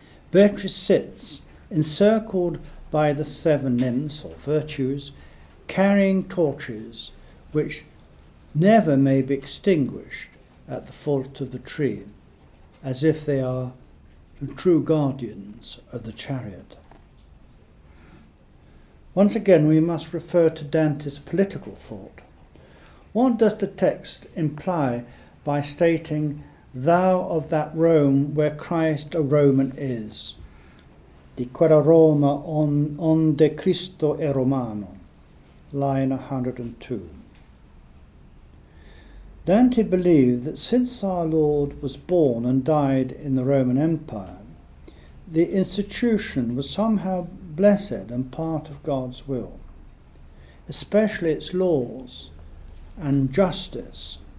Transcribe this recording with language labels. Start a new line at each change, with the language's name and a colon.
English: Beatrice sits, encircled by the seven nymphs or virtues, carrying torches which never may be extinguished at the foot of the tree, as if they are the true guardians of the chariot. Once again, we must refer to Dante's political thought. What does the text imply by stating, "Thou of that Rome where Christ a Roman is"?
Italian: Di quella Roma onde Cristo è Romano, line 102.
English: Dante believed that since our Lord was born and died in the Roman Empire, the institution was somehow blessed and part of God's will, especially its laws and justice.